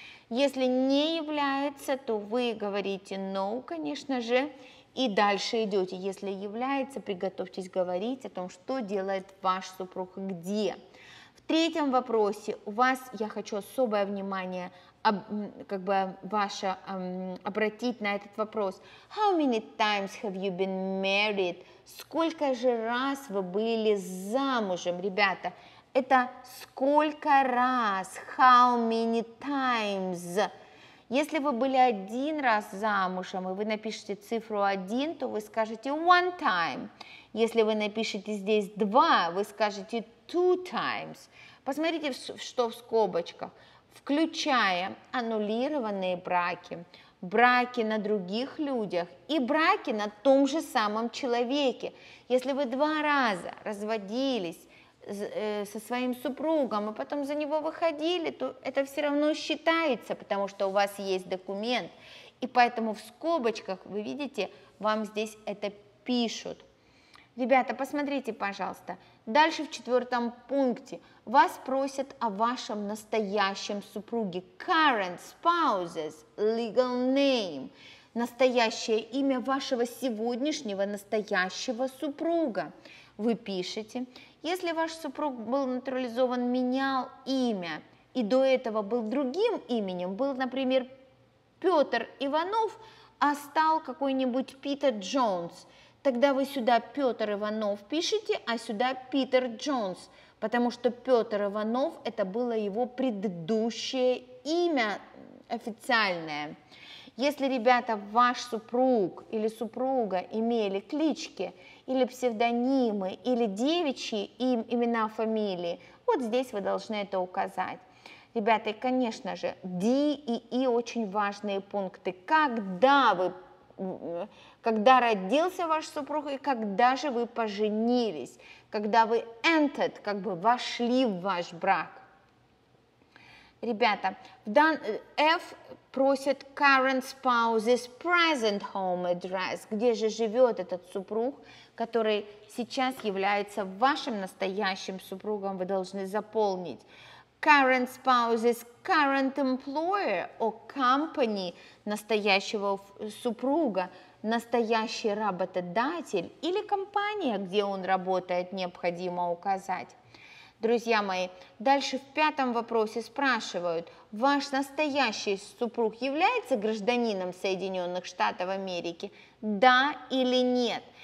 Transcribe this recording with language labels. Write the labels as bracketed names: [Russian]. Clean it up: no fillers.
[Russian] Если не является, то вы говорите no, конечно же, и дальше идете. Если является, приготовьтесь говорить о том, что делает ваш супруг и где. В третьем вопросе у вас, я хочу особое внимание обратить на этот вопрос. [English] How many times have you been married? [Russian] Сколько же раз вы были замужем, ребята? Это сколько раз, [English] how many times? [Russian] Если вы были один раз замужем, и вы напишете цифру 1, то вы скажете [English] one time. [Russian] Если вы напишете здесь 2, вы скажете [English] two times. [Russian] Посмотрите, что в скобочках. Включая аннулированные браки, браки на других людях и браки на том же самом человеке. Если вы два раза разводились со своим супругом, а потом за него выходили, то это все равно считается, потому что у вас есть документ. И поэтому в скобочках, вы видите, вам здесь это пишут. Ребята, посмотрите, пожалуйста. Дальше в четвертом пункте вас просят о вашем настоящем супруге. [English] Current spouse's legal name. [Russian] Настоящее имя вашего сегодняшнего настоящего супруга. Вы пишете. Если ваш супруг был натурализован, менял имя и до этого был другим именем, был, например, Петр Иванов, а стал какой-нибудь Питер Джонс, тогда вы сюда Петр Иванов пишете, а сюда Питер Джонс, потому что Петр Иванов – это было его предыдущее имя официальное. Если, ребята, ваш супруг или супруга имели клички или псевдонимы, или девичьи имена, фамилии, вот здесь вы должны это указать. Ребята, и, конечно же, D и E – очень важные пункты. Когда родился ваш супруг и когда же вы поженились, когда вы entered, как бы вошли в ваш брак. Ребята, F просит [English] current spouse's present home address. [Russian] Где же живет этот супруг, который сейчас является вашим настоящим супругом? Вы должны заполнить [English] current spouse's current employer or company [Russian] настоящего супруга. Настоящий работодатель или компания, где он работает, необходимо указать. Друзья мои, дальше в пятом вопросе спрашивают, ваш настоящий супруг является гражданином Соединенных Штатов Америки, да или нет?